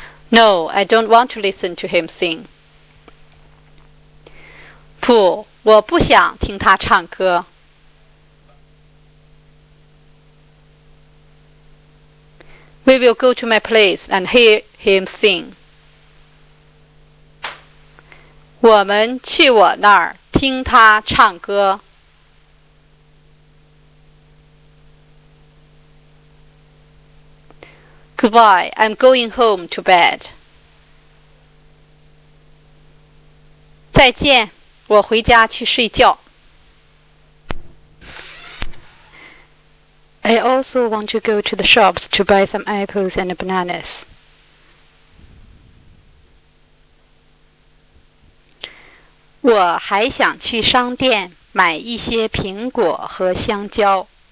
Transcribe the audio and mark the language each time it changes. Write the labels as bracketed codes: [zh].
[en] No, I don't want to listen to him sing. [zh] 不，我不想听他唱歌。 [en] We will go to my place and hear him sing. [zh] 我们去我那儿听他唱歌。 [en] Goodbye, I'm going home to bed. [zh] 再见，我回家去睡觉。 [en] I also want to go to the shops to buy some apples and bananas. [zh] 我还想去商店买一些苹果和香蕉。